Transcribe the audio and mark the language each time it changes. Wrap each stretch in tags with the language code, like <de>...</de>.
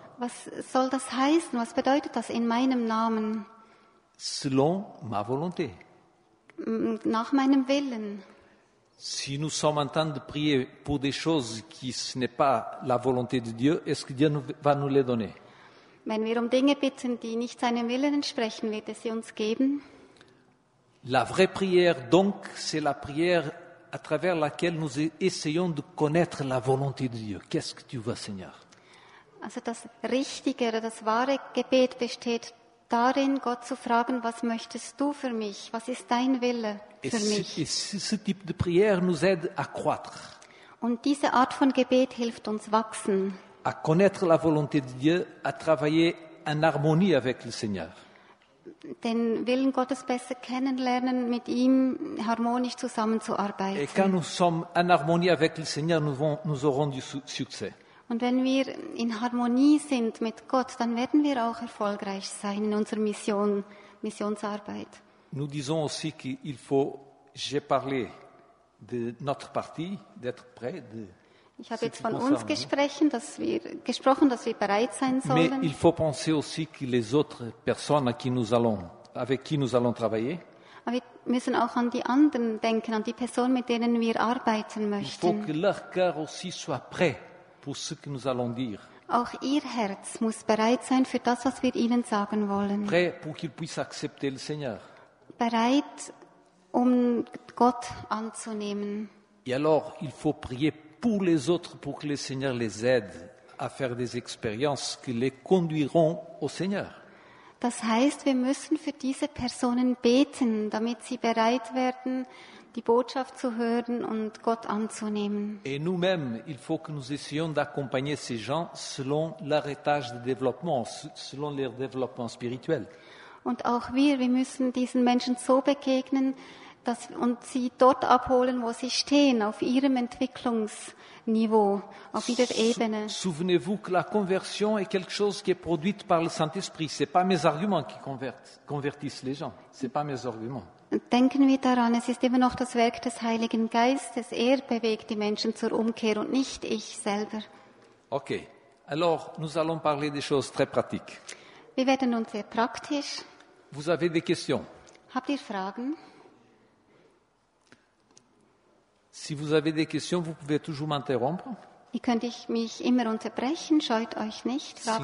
<de>Was soll das heißen? Was bedeutet das in meinem Namen?</de> <fr>Selon ma volonté.</fr> <de>Nach meinem Willen.</de> <fr>Si nous sommes en train de prier pour des choses qui ce n'est pas la volonté de Dieu, est-ce que Dieu va nous les donner?</fr> <de>Wenn wir um Dinge bitten, die nicht seinem Willen entsprechen, wird er sie uns geben?</de> <fr>La vraie prière donc, c'est la prière à travers laquelle nous essayons de connaître la volonté de Dieu. Qu'est-ce que tu veux, Seigneur?</fr> <de>Also das richtige oder das wahre Gebet besteht darin, Gott zu fragen, was möchtest du für mich? Was ist dein Wille für mich?</de> <fr>Ce type de prière nous aide à croître.</fr> <de>Und diese Art von Gebet hilft uns wachsen.</de> <fr>À connaître la volonté de Dieu, à travailler en harmonie avec le Seigneur.</fr> <de>Den Willen Gottes besser kennenlernen, mit ihm harmonisch zusammenzuarbeiten.</de> <fr>Et quand nous sommes en harmonie avec le Seigneur, nous aurons du succès.</fr> <de>Und wenn wir in Harmonie sind mit Gott, dann werden wir auch erfolgreich sein in unserer Missionsarbeit.</de> <fr>Nous disons aussi qu'il faut, j'ai parlé de notre partie, d'être prêt.</fr> <de>Ich habe jetzt von uns gesprochen, dass wir bereit sein sollen.</de> <fr>Mais il faut penser aussi que les autres personnes avec qui nous allons travailler.</fr> <de>Aber wir müssen auch an die anderen denken, an die Personen, mit denen wir arbeiten möchten.</de> <fr>Il faut que leur cœur aussi soit prêt. Pour ce que nous allons dire.</fr> <de>Auch ihr Herz muss bereit sein für das, was wir ihnen sagen wollen.</de> <fr>Prêt pour qu'ils puissent accepter le Seigneur.</fr> <de>Bereit, um Gott anzunehmen.</de> <fr>Et alors, il faut prier pour les autres, pour que le Seigneur les aide à faire des expériences qui les conduiront au Seigneur.</fr> <de>Das heißt, wir müssen für diese Personen beten, damit sie bereit werden, die Botschaft zu hören und Gott anzunehmen.</de> <fr>Et nous-mêmes, il faut que nous essayions d'accompagner ces gens selon leur étage de développement, selon leur développement spirituel.</fr> <de>Und auch wir müssen diesen Menschen so begegnen, dass, und sie dort abholen, wo sie stehen, auf ihrem Entwicklungsniveau, auf ihrer Ebene.</de> <fr>Souvenez-vous que la conversion est quelque chose qui est produite par le Saint-Esprit. C'est pas mes arguments qui convertissent les gens. C'est pas mes arguments.</fr> <de>Denken wir daran, es ist immer noch das Werk des Heiligen Geistes. Er bewegt die Menschen zur Umkehr und nicht ich selber.</de> <fr>Okay, alors nous allons parler des choses très pratiques.</fr> <de>Wir werden nun sehr praktisch.</de> <fr>Vous avez des questions?</fr> <de>Habt ihr Fragen?</de> <fr>Si vous avez des questions, vous pouvez toujours m'interrompre.</fr> <de>Ihr könnt mich immer unterbrechen, scheut euch nicht, Fragen</de>